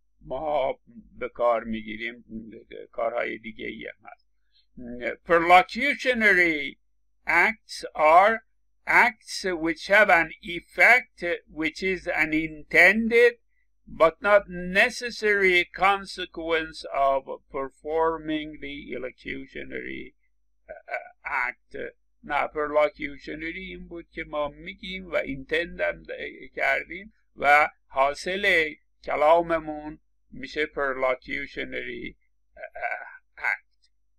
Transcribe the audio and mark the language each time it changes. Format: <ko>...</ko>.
<fa>ما به کار میگیریم، کارهای دیگه ای هم هست.</fa> <en>Perlocutionary acts are acts which have an effect which is an intended but not necessary consequence of performing the elocutionary act.</en> <fa>نه، perlocutionary این بود که ما میگیم و intendم کردیم و حاصل کلاممون میشه perlocutionary act.</fa>